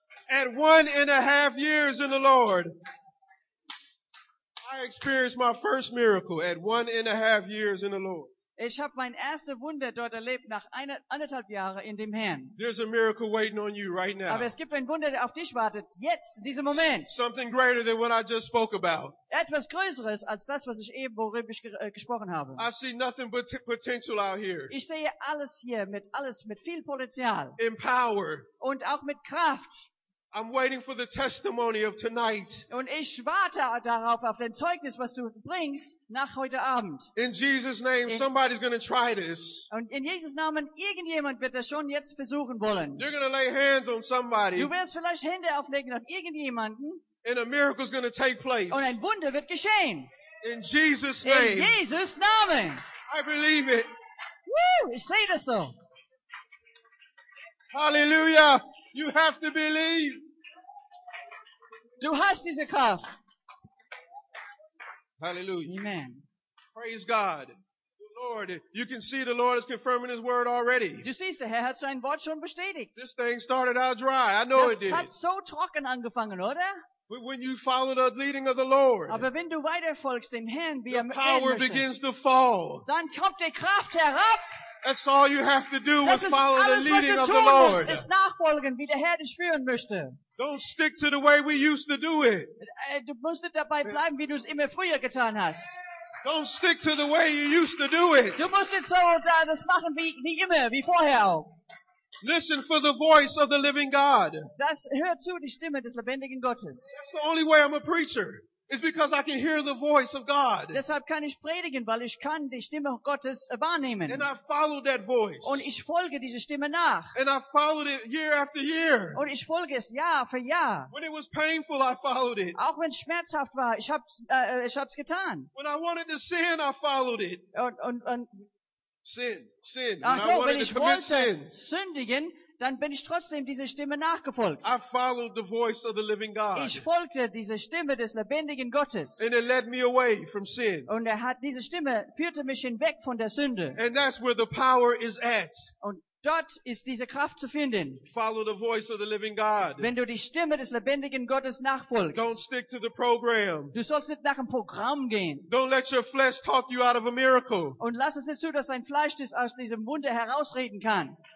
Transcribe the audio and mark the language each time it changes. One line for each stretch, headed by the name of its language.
English: At 1.5 years in the Lord, I experienced my first miracle at 1.5 years in the Lord.
German: Ich habe mein erstes Wunder dort erlebt nach 1.5 Jahren in dem Herrn.
English: There's a miracle waiting on you right now.
German: Aber es gibt ein Wunder, der auf dich wartet, jetzt, in diesem Moment.
English: Something greater than what I just spoke about.
German: Etwas Größeres als das, was ich eben, worüber ich gesprochen habe.
English: I see nothing but potential out here.
German: Ich sehe alles hier, mit alles mit viel Potenzial.
English: In power.
German: Und auch mit Kraft.
English: I'm waiting for the testimony of tonight.
German: Und ich warte darauf, auf dein Zeugnis, was du bringst, nach heute Abend.
English: In Jesus' name, somebody's gonna try this.
German: Und in Jesus' Namen, irgendjemand wird das schon jetzt versuchen wollen.
English: You're gonna lay hands on somebody.
German: Du wirst vielleicht Hände auflegen auf irgendjemanden.
English: And a miracle's gonna take place.
German: Und ein Wunder wird geschehen.
English: In Jesus' name.
German: In Jesus' Namen.
English: I believe it.
German: Woo! Ich sehe das so.
English: Hallelujah! You have to believe.
German: Du hast diese Kraft.
English: Hallelujah. Amen. Praise God. Lord, you can see the Lord is confirming His word already.
German: Du siehst, der Herr hat sein Wort schon bestätigt.
English: This thing started out dry. I know
German: das
English: it did.
German: Das hat so trocken angefangen, oder?
English: But when you follow the leading of the Lord,
German: aber wenn du weiter folgst dem Herrn, wie
English: the power begins to fall.
German: Dann kommt die Kraft herab.
English: That's all you have to do
German: das
English: is follow
German: alles,
English: the leading of the Lord.
German: Ist nachfolgen, wie der Herr dich führen möchte.
English: Don't stick to the way we used to do it.
German: Du musst dabei bleiben, wie du es immer früher getan hast.
English: Don't stick to the way you used to do it.
German: Du musst so das machen, wie immer, wie vorher auch.
English: Listen for the voice of the living God.
German: Das hör zu, die Stimme des lebendigen Gottes.
English: That's the only way I'm a preacher. It's because I can hear the voice of God.
German: Deshalb kann ich predigen, weil ich kann die Stimme Gottes wahrnehmen.
English: And I followed that voice.
German: Und ich folge dieser Stimme nach.
English: And I followed it year after year.
German: Und ich folge es Jahr für Jahr.
English: When it was painful, I followed it.
German: Auch wenn es schmerzhaft war, ich hab's getan.
English: When I wanted to sin, I followed it. Sin.
German: Ach so, wenn ich wollte sündigen, dann bin ich trotzdem dieser Stimme nachgefolgt.
English: I followed the voice of the living God.
German: Ich folgte dieser Stimme des lebendigen Gottes.
English: And it led me away from sin.
German: Und er hat diese Stimme führte mich hinweg von der Sünde.
English: And that's where the power is at.
German: Und dort ist diese Kraft zu finden.
English: Follow the voice of the living God.
German: Wenn du die Stimme des lebendigen Gottes nachfolgst.
English: Don't stick to the program.
German: Du sollst nicht nach dem Programm gehen.
English: Don't let your flesh talk you out of a miracle.
German: Und lass es nicht zu, dass dein Fleisch dich aus diesem Wunder herausreden kann.